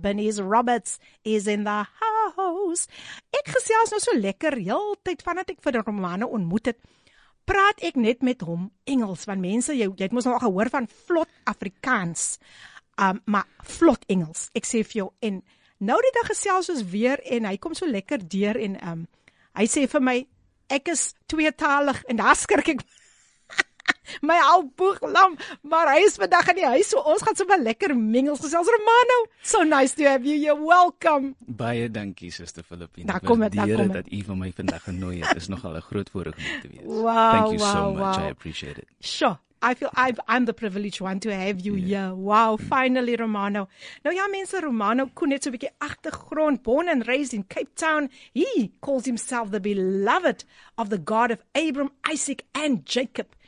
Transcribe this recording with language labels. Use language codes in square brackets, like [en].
[en] Bernice Roberts is in the house. [af] Ek gesels nou so lekker heeltyd vandat ek vir Romano ontmoet het. Praat ek net met hom Engels, want mense, jy het mos nou al gehoor van vlot Afrikaans, maar vlot Engels, ek sê vir jou, en nou die dag gesels ons weer, en hy kom so lekker deur, en hy sê vir my, ek is tweetalig, en daar skrik ek my al boeglam, maar hy is vandag in die huis, so ons gaan so wel lekker mingels gesels. [en] Romano, so nice to have you, you're welcome. [af] Baie dankie, Suster Philippine. Daar kom het, daar kom het. Dat u van my vandag genooi het, is nogal een groot voorreg om te wees. [en] Wow, thank you so much. I appreciate it. Sure, I feel I'm the privileged one to have you here. Wow, finally Romano. [af] Nou ja, mense, Romano kon net so'n bietjie achtergrond, [en] born and raised in Cape Town. He calls himself the beloved of the God of Abraham, Isaac and Jacob.